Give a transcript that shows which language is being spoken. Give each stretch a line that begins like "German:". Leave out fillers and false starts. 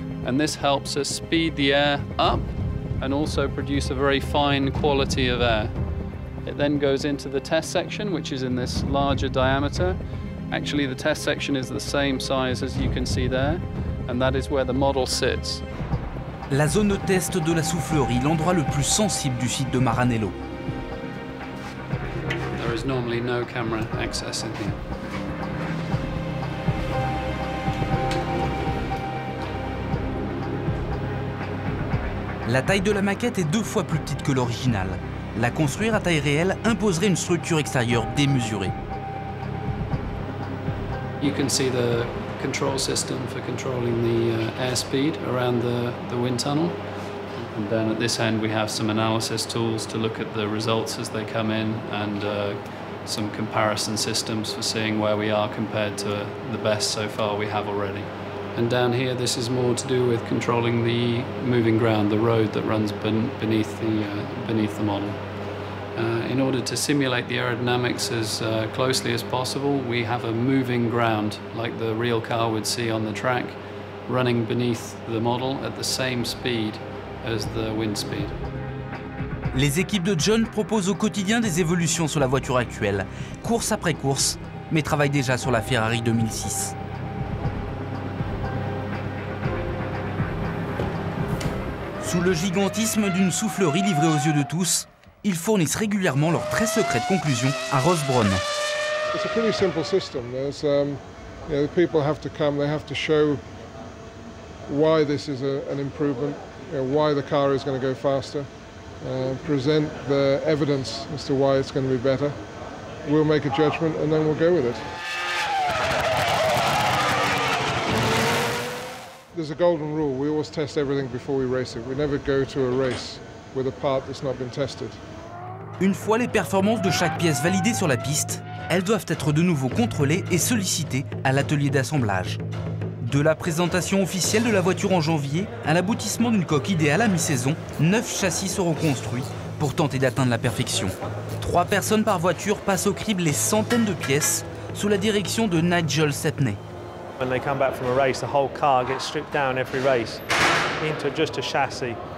English: And this helps us speed the air up and also produce a very fine quality of air. It then goes into the test section, which is in this larger diameter. Actually, the test section is the same size as you can see there, and that is where the model sits.
French: La zone de test de la soufflerie, l'endroit le plus sensible du site de Maranello.
English: There is normally no camera access in here.
French: La taille de la maquette est deux fois plus petite que l'original. La construire à taille réelle imposerait une structure extérieure démesurée.
English: You can see the control system for controlling the airspeed around the wind tunnel. And then at this end we have some analysis tools to look at the results as they come in and some comparison systems for seeing where we are compared to the best so far we have already. And down here, this is more to do with controlling the moving ground, the road that runs beneath the model. In order to simulate the aerodynamics as closely as possible, we have a moving ground, like the real car would see on the track, running beneath the model at the same speed as the wind speed.
French: Les équipes de John proposent au quotidien des évolutions sur la voiture actuelle, course après course, mais travaillent déjà sur la Ferrari 2006. Sous le gigantisme d'une soufflerie livrée aux yeux de tous, ils fournissent régulièrement leur très secrète conclusion à Ross Brawn.
English: It's a pretty simple system. There's you know, the people have to come, they have to show why this is an improvement, you know, why the car is going to go faster. Present the evidence as to why it's going to be better. We'll make a judgment and then we'll go with it. There's a golden rule. We always test everything before we race it. We never go to a race with a part that's not been tested.
French: Une fois les performances de chaque pièce validées sur la piste, elles doivent être de nouveau contrôlées et sollicitées à l'atelier d'assemblage. De la présentation officielle de la voiture en janvier à l'aboutissement d'une coque idéale à mi-saison, 9 châssis seront construits pour tenter d'atteindre la perfection. 3 personnes par voiture passent au crible les centaines de pièces sous la direction de Nigel Stepney.
English: When they come back from a race, the whole car gets stripped down every race into just a chassis.